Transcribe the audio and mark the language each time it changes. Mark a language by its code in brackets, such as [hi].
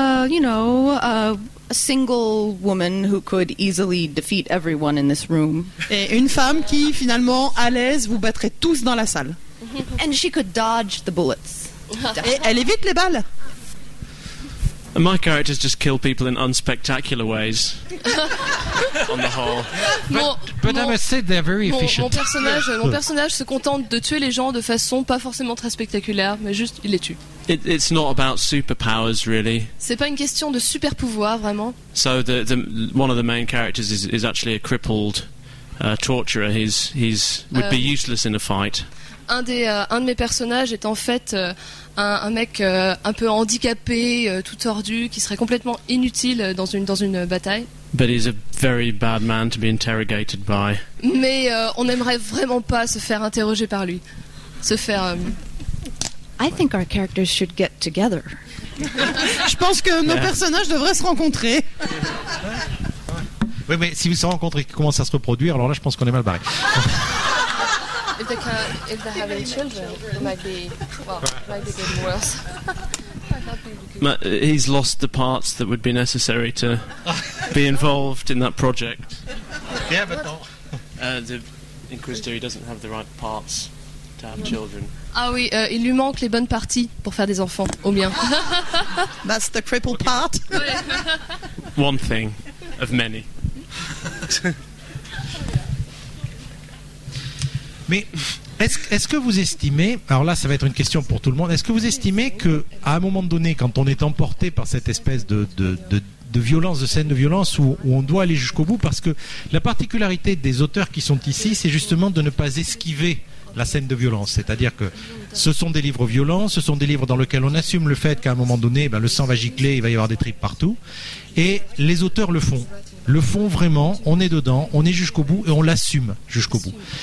[en] A single woman who could easily defeat everyone in this room. [fr] Et une femme qui, finalement, à l'aise, vous battrait tous dans la salle. [en] And she could dodge the bullets. [fr] Et elle évite les balles. [en] And my characters just kill people in unspectacular ways. On the whole. But I must say they're very efficient. [fr] Mon personnage se contente de tuer les gens de façon pas forcément très spectaculaire, mais juste il les tue. [en] It's not about superpowers really. [fr] C'est pas une question de super pouvoir vraiment. [en] So the one of the main characters is actually a crippled torturer. He's would be useless in a fight. [fr] Un de mes personnages est en fait un mec un peu handicapé, tout tordu, qui serait complètement inutile dans une bataille. [en] But he's a very bad man to be interrogated by. [fr] Mais on n'aimerait vraiment pas se faire interroger par lui. [en] I think our characters should get together. [fr] Je pense que nos personnages devraient se rencontrer. Oui, mais si vous se rencontrez et qu'ils commencent à se reproduire, alors là, je pense qu'on est mal barré. [en] Might be worse. He's lost the parts that would be necessary to be involved in that project. Yeah, but no. The Inquisitor, he doesn't have the right parts to have children. [fr] Ah oui, il lui manque les bonnes parties pour faire des enfants, au mien. [en] That's the crippled part. One thing of many. [fr] Mais est-ce que vous estimez, alors là ça va être une question pour tout le monde, est-ce que vous estimez qu'à un moment donné, quand on est emporté par cette espèce de violence, de scène de violence, où on doit aller jusqu'au bout, parce que la particularité des auteurs qui sont ici, c'est justement de ne pas esquiver la scène de violence, c'est-à-dire que ce sont des livres violents, ce sont des livres dans lesquels on assume le fait qu'à un moment donné, ben, le sang va gicler, il va y avoir des tripes partout, et les auteurs le font vraiment, on est dedans, on est jusqu'au bout et on l'assume jusqu'au bout.